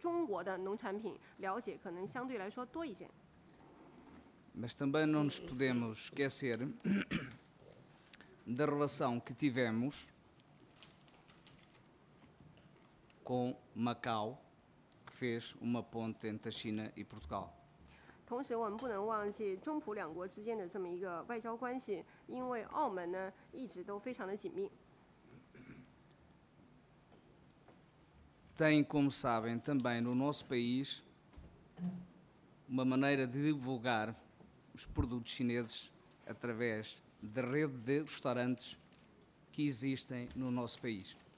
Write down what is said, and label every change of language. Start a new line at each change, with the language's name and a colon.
Chinese: 因为我们莆田这个国土面积呢，相对来说比较小，所以呢，也就是因为这个原因，所以我们反过来对中国的农产品了解可能相对来说多一些。
Portuguese: Mas também não nos podemos esquecer da relação que tivemos com Macau, que fez uma ponte entre a China e Portugal.
Chinese: 同时我们不能忘记中葡两国之间的这么一个外交关系，因为澳门呢一直都非常的紧密。
Portuguese: Tem, como sabem, também no nosso país uma maneira de divulgar os produtos chineses através da rede de restaurantes que existem no nosso país.